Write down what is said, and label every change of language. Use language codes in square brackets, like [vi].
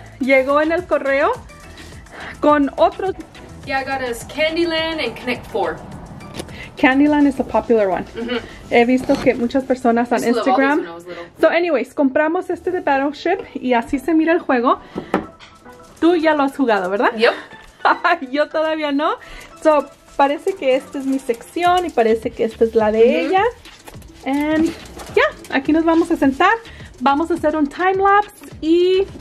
[es] Llegó en el correo con otro. [en] Yeah, I got us Candyland and Connect Four. Candyland is a popular one. [es] He visto que muchas personas [en] on Instagram. [es] So anyways, compramos este de Battleship y así se mira el juego. Tú ya lo has jugado, ¿verdad? [en] Yep. [es] Yo todavía no. So parece que esta es mi sección y parece que esta es la de ella. [en] And yeah, [es] aquí nos vamos a sentar. Vamos a hacer un time lapse y...